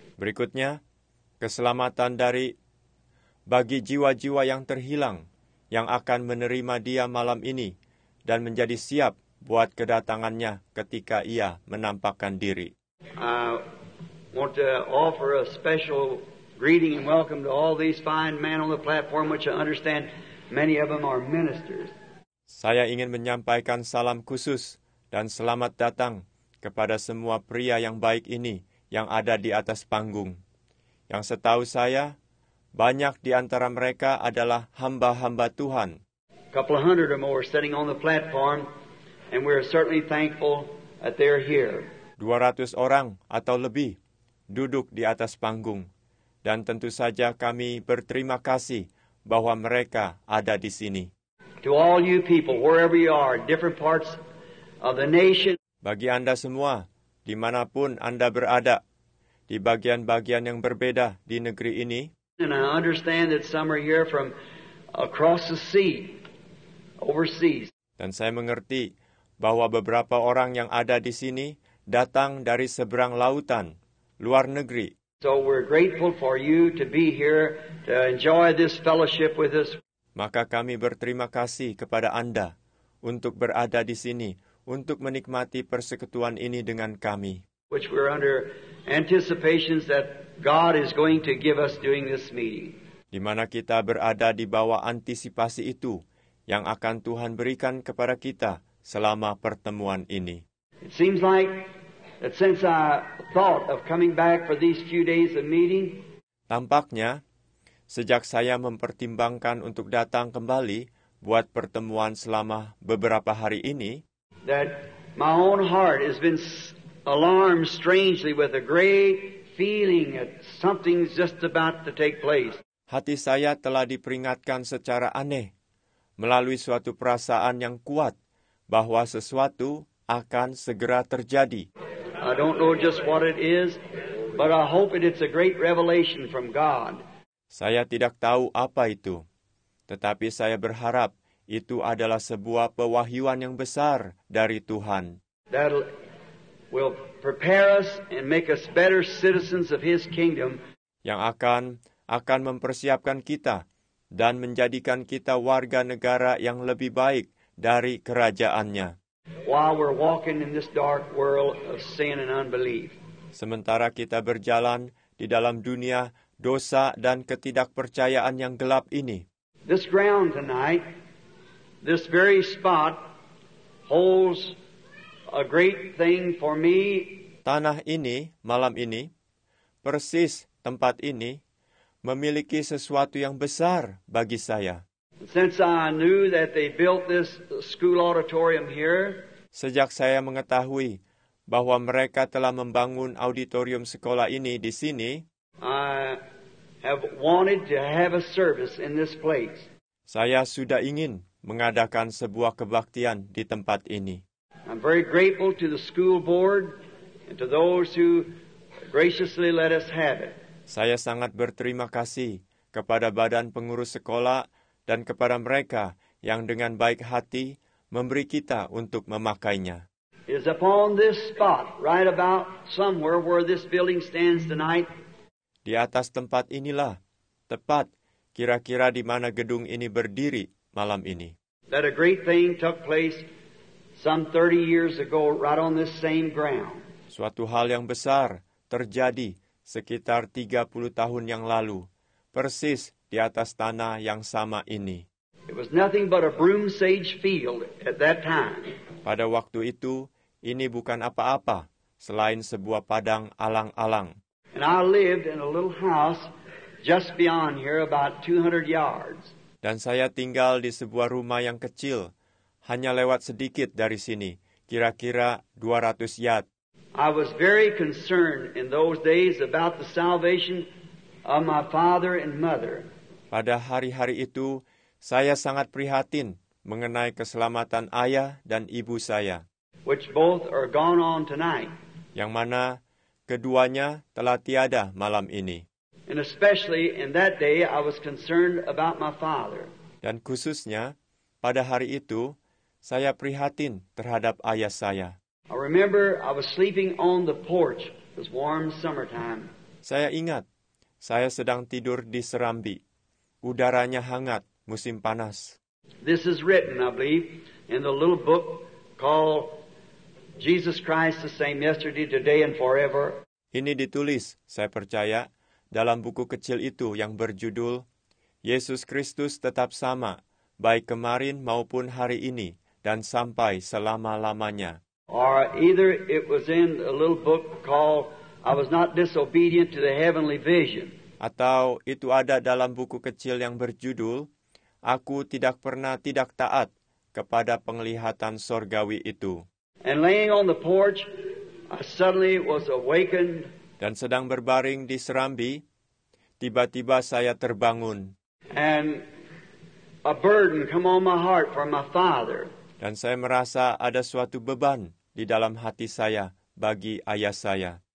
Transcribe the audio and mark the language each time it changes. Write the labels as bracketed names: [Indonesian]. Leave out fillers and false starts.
[Indonesian] Berikutnya, keselamatan dari bagi jiwa-jiwa yang terhilang yang akan menerima dia malam ini dan menjadi siap buat kedatangannya ketika ia menampakkan diri. [English] I want to offer a special greeting and welcome to all these fine men on the platform, which I understand many of them are ministers. [Indonesian] Saya ingin menyampaikan salam khusus dan selamat datang kepada semua pria yang baik ini yang ada di atas panggung. Yang setahu saya, banyak di antara mereka adalah hamba-hamba Tuhan. [English] A couple of hundred or more sitting on the platform, and we are certainly thankful that they are here. [Indonesian] 200 orang atau lebih duduk di atas panggung, dan tentu saja kami berterima kasih bahwa mereka ada di sini. [English] To all you people, wherever you are, different parts of the nation. [Indonesian] Bagi Anda semua, dimanapun Anda berada, di bagian-bagian yang berbeda di negeri ini. [English] And I understand that some are here from across the sea, overseas. [Indonesian] Dan saya mengerti bahwa beberapa orang yang ada di sini datang dari seberang lautan, luar negeri. [English] So we're grateful for you to be here to enjoy this fellowship with us. [Indonesian] Maka kami berterima kasih kepada Anda untuk berada di sini, untuk menikmati persekutuan ini dengan kami. [English] Which we're under anticipations that God is going to give us during this meeting. [Indonesian] Di mana kita berada di bawah antisipasi itu yang akan Tuhan berikan kepada kita selama pertemuan ini. [English] It seems like that since I thought of coming back for these few days of meeting, [Indonesian] tampaknya sejak saya mempertimbangkan untuk datang kembali buat pertemuan selama beberapa hari ini, [English] that my own heart has been alarmed strangely with a great feeling that something's just about to take place. [Indonesian] Hati saya telah diperingatkan secara aneh melalui suatu perasaan yang kuat bahwa sesuatu akan segera terjadi. [English] I don't know just what it is, but I hope it's a great revelation from God. [Indonesian] Saya tidak tahu apa itu, tetapi saya berharap itu adalah sebuah pewahyuan yang besar dari Tuhan. [English] That will prepare us and make us better citizens of His kingdom. [Indonesian] Yang akan mempersiapkan kita dan menjadikan kita warga negara yang lebih baik dari kerajaannya. [English] While we're walking in this dark world of sin and unbelief. [Indonesian] Sementara kita berjalan di dalam dunia dosa dan ketidakpercayaan yang gelap ini. [English] This ground tonight, this very spot, holds a great thing for me. [Indonesian] Tanah ini, malam ini, persis tempat ini, memiliki sesuatu yang besar bagi saya. [English] Since I knew that they built this school auditorium here, [Indonesian] sejak saya mengetahui bahwa mereka telah membangun auditorium sekolah ini di sini, [English] I have wanted to have a service in this place. [Indonesian] Saya sudah ingin mengadakan sebuah kebaktian di tempat ini. [English] I'm very grateful to the school board and to those who graciously let us have it. [Indonesian] Saya sangat berterima kasih kepada badan pengurus sekolah dan kepada mereka yang dengan baik hati memberi kita untuk memakainya. [English] It's upon this spot, right about somewhere where this building stands tonight. [Indonesian] Di atas tempat inilah, tepat kira-kira di mana gedung ini berdiri malam ini. [English] That a great thing took place some 30 years ago right on this same ground. [Indonesian] Suatu hal yang besar terjadi sekitar 30 tahun yang lalu, persis di atas tanah yang sama ini. [English] It was nothing but a broom sage field at that time. [Indonesian] Pada waktu itu, ini bukan apa-apa selain sebuah padang alang-alang. [English] And I lived in a little house just beyond here about 200 yards. [Indonesian] Dan saya tinggal di sebuah rumah yang kecil, hanya lewat sedikit dari sini, kira-kira 200 yard. [English] I was very concerned in those days about the salvation of my father and mother. [Indonesian] Pada hari-hari itu, saya sangat prihatin mengenai keselamatan ayah dan ibu saya. [English] Which both are gone on tonight. [Indonesian] Yang mana keduanya telah tiada malam ini. [English] And especially in that day, I was concerned about my father. [Indonesian] Dan khususnya, pada hari itu, saya prihatin terhadap ayah saya. [English] I remember I was sleeping on the porch. It was warm summertime. [Indonesian] Saya ingat, saya sedang tidur di serambi. Udaranya hangat, musim panas. [English] This is written, I believe, in the little book called Jesus Christ the Same Yesterday, Today and Forever. [Indonesian] Ini ditulis, saya percaya, dalam buku kecil itu yang berjudul Yesus Kristus Tetap Sama, baik kemarin maupun hari ini, dan sampai selama-lamanya. [English] Or either it was in a little book called I Was Not Disobedient to the Heavenly Vision. [Indonesian] Atau itu ada dalam buku kecil yang berjudul Aku Tidak Pernah Tidak Taat Kepada Penglihatan Sorgawi Itu. [English] And laying on the porch, I suddenly was awakened. [Indonesian] Dan sedang berbaring di serambi, tiba-tiba saya terbangun. [English] And a burden come on my heart for my father. [Indonesian] Dan saya merasa ada suatu beban di dalam hati saya bagi ayah saya.